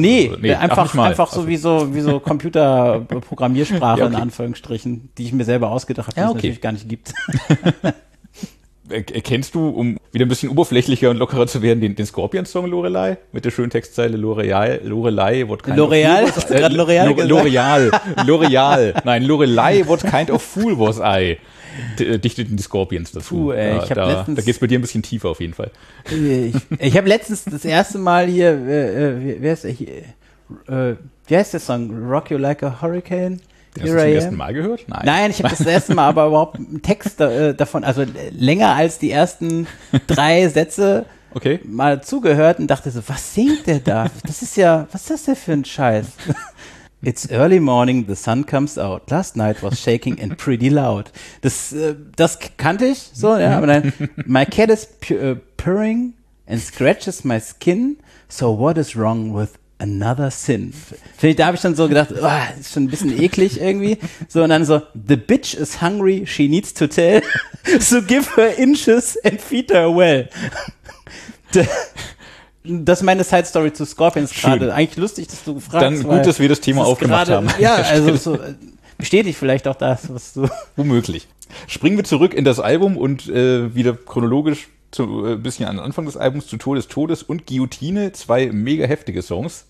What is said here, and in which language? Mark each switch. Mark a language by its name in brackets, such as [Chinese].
[German] Nee, einfach so wie so Computerprogrammiersprache in Anführungsstrichen, die ich mir selber ausgedacht habe, die es natürlich gar nicht gibt. Erkennst du, um wieder ein bisschen oberflächlicher und lockerer zu werden, den Scorpions-Song Lorelei mit der schönen Textzeile Lorelei, [English] what kind [German] L'Oreal? [English] Of fool was I? [German] L'Oreal? L'Oreal. L'Oreal. Nein, [English] Lorelei, what kind of fool was I? [German] Dichteten die Scorpions dazu. Puh, ey, da geht es bei dir ein bisschen tiefer auf jeden Fall. Ich habe letztens das erste Mal hier, wie heißt der Song? Rock You Like a Hurricane? Hast du das zum ersten Mal gehört? Nein, ich habe das erste Mal aber überhaupt einen Text davon, also länger als die ersten drei Sätze mal zugehört und dachte so, was singt der da? Das ist ja, was ist das denn für ein Scheiß? [English] It's early morning, the sun comes out. Last night was shaking and pretty loud. [German] Das kannte ich so, ja, aber dann, [English] my cat is purring and scratches my skin, so what is wrong with another sin. [German] Vielleicht da habe ich dann so gedacht, oh, ist schon ein bisschen eklig irgendwie. So, und dann so, [English] the bitch is hungry, she needs to tell, so give her inches and feed her well. [German] Das ist meine Side-Story zu Scorpions gerade. Eigentlich lustig, dass du fragst. Dann gut, dass wir das Thema aufgemacht haben. Ja, also so, bestätigt vielleicht auch das, was du. Womöglich. Springen wir zurück in das Album und wieder chronologisch ein bisschen an den Anfang des Albums, zu Tod des Todes und Guillotine, zwei mega heftige Songs.